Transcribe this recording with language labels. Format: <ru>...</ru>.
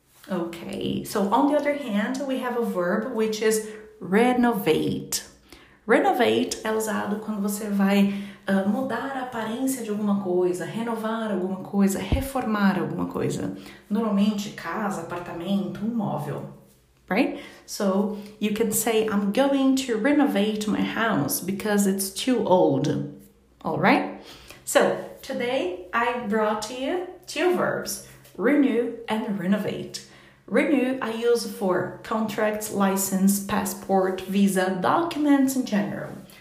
<en>Okay, so on the other hand, we have a verb which is renovate.</en> <pt>Renovate é usado quando você vai mudar a aparência de alguma coisa, renovar alguma coisa, reformar alguma coisa. Normalmente, casa, apartamento, móvel.</pt> <en>Right? So, you can say, I'm going to renovate my house because it's too old. Alright? So, today I brought to you two verbs, renew and renovate. Renew I use for contracts, license, passport, visa, documents in general.</en>